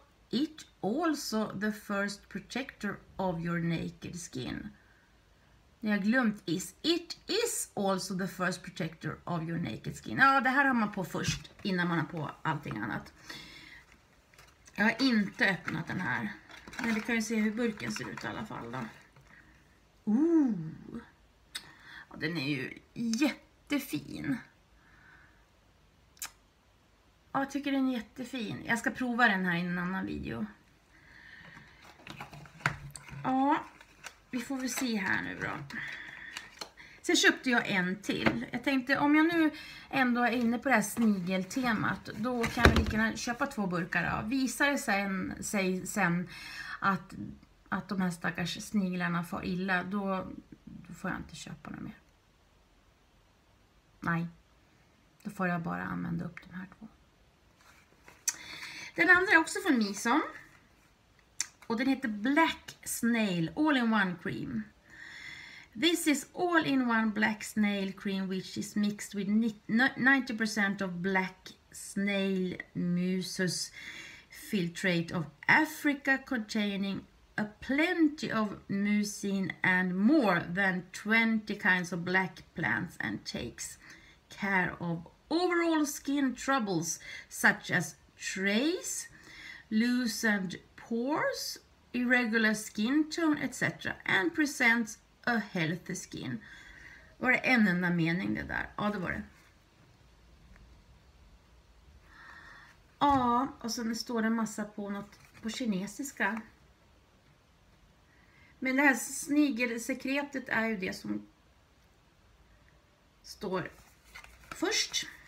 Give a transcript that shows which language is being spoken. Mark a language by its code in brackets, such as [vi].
[en] It also the first protector of your naked skin. [sv] Ni har glömt is. [en] It is also the first protector of your naked skin. [sv] Ja, det här har man på först innan man har på allting annat. Jag har inte öppnat den här. Men vi kan ju se hur burken ser ut i alla fall då. Ooh. Ja, den är ju jättefin. Ja, jag tycker den är jättefin. Jag ska prova den här i en annan video. Ja, vi får väl se här nu då. Sen köpte jag en till. Jag tänkte, om jag nu ändå är inne på det här snigeltemat, då kan jag lika köpa 2 burkar då. Visar det sen att de här stackars sniglarna får illa, då får jag inte köpa dem mer. Nej, då får jag bara använda upp de här 2. Den andra är också från Mison. Och den heter Black Snail All-in-One Cream. [en] This is all-in-one black snail cream which is mixed with 90% of black snail mucus filtrate of Africa containing a plenty of mucin and more than 20 kinds of black plants and takes care of overall skin troubles such as trace, loosened pores, irregular skin tone etc. and presents a healthy skin. [sv] Var det en enda mening det där? Ja, det var det. Ja, och sen står det en massa på något på kinesiska. Men det här snigelsekretet är ju det som står först.